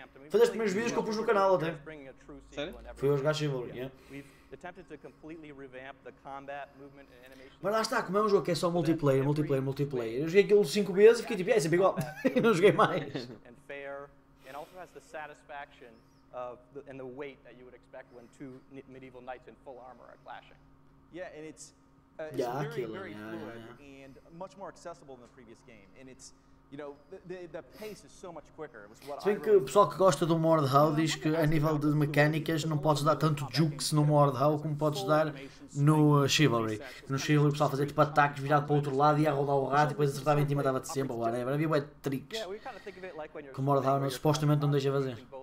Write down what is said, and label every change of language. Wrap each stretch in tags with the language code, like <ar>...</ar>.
<pt>Foi das primeiras vídeos que eu pus no canal até. Sério? Fui a jogar Chivalry, yeah.</pt> <en>Attempted to completely revamp the combat movement and animation.</en> <pt>Mas lá está, como é um jogo que é só multiplayer. Eu joguei aquilo 5 vezes e fiquei tipo, é sempre igual. E não joguei mais.</pt> <en>And fair and also has the satisfaction of the weight that you would expect when two medieval knights in full armor are clashing. Yeah, and it's very fluid. And much more accessible than the previous game. And it's, you know, the pace is so much quicker.</en> <pt>Se bem que o pessoal que gosta do Mordhau diz que a nível de mecânicas não podes dar tanto jukes no Mordhau como podes dar no Chivalry. No Chivalry o pessoal fazia tipo ataques virado para o outro lado e ia rodar o rato e depois acertava em cima e dava-te sempre, whatever. Havia bué de tricks que o Mordhau supostamente não deixa fazer.</pt>